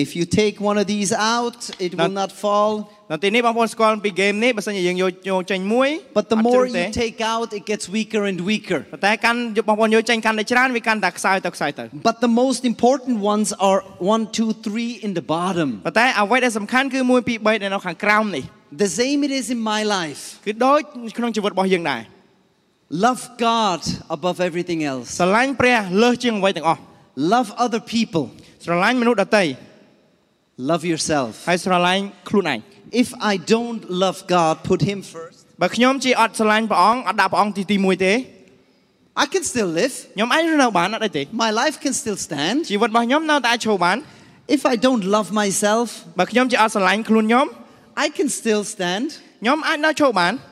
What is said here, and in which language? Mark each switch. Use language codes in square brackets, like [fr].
[en] If you take one of these out, it will not fall. [km] នៅទីនេះបងប្អូនស្គាល់ពីហ្គេមនេះបើសិនជាយើងយកចេញមួយ [en] But the more you take out, it gets weaker and weaker. [km] តែកាន់បងប្អូនយកចេញកាន់តែច្រើនវាកាន់តែខ្សោយទៅខ្សោយទៅ [en] But the most important ones are 1 2 3 in the bottom. [km] ប៉ុន្តែអ្វីដែលសំខាន់គឺ1 2 3នៅខាងក្រោមនេះ [en] The same it is in my life. [km] គឺដូចក្នុងជីវិតរបស់យើងដែរ [en] Love God above everything else. [km] ស្រឡាញ់ព្រះលើសជាងអ្វីទាំងអស់ [en] Love other people. [km] ស្រឡាញ់មនុស្សដទៃ [en] Love yourself. [km] ហើយស្រឡាញ់ខ្លួនឯង [en] If I don't love God, put him first. [km] បើខ្ញុំជាអត់ស្រឡាញ់ព្រះអង្គអត់ដាក់ព្រះអង្គទី1ទេ [en] I can still live. [km] ខ្ញុំអាចរស់នៅបានអត់អីទេ [en] My life can still stand. [km] ជីវិតរបស់ខ្ញុំនៅតែអាចឈរបាន [en] If I don't love myself, [km] បើខ្ញុំជាអត់ស្រឡាញ់ខ្លួនខ្ញុំ [en] I can still stand. [km] ខ្ញុំអាចនៅឈរបាន